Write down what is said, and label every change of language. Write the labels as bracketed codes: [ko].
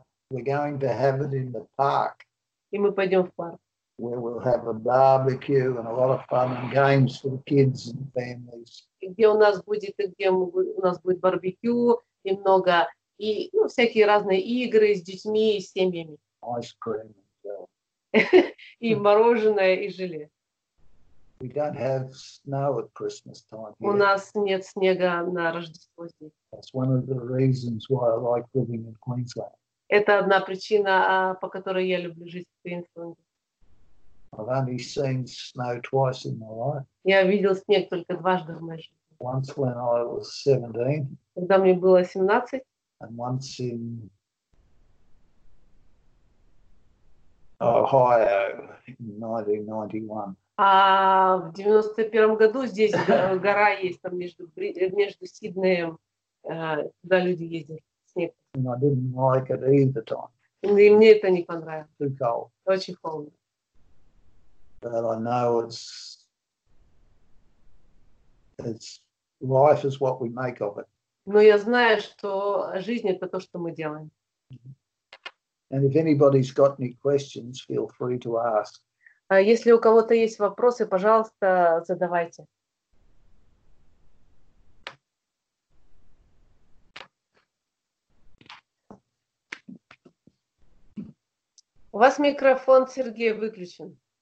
[en] We're going to have it in the park. [ru] И мы пойдем в парк. [en] Where we'll have a barbecue and a lot of fun and games for the kids and families. [ru] Где у нас будет барбекю и много и ну, всякие разные игры с детьми и с семьями. [en] Ice cream, yeah. [ru] И мороженое, и желе. [en] We don't have snow at Christmas time. [ru] У нас нет снега на Рождество здесь. [en] That's one of the reasons why I like living in Queensland. [ru] Это одна причина, по которой я люблю жить в Квинсленде. [en] I've only seen snow twice in my life. [ru] Я видел снег только дважды в моей жизни. [en] Once when I was 17. [ru] Когда мне было 17. [en] And once in Ohio in 1991. [ru] А в 91-м году здесь гора есть, там между Сиднеем, куда люди ездят, снег. [en] And I didn't like it either time. [ru] И мне это не понравилось. [en] Too cold. [ru] Очень холодно. [en] But I know it's life is what we make of it. [ru] Но я знаю, что жизнь — это то, что мы делаем. [en] And if anybody's got any questions, feel free to ask. [ru] Если у кого-то есть вопросы, пожалуйста, задавайте. У вас микрофон, Сергей, выключен.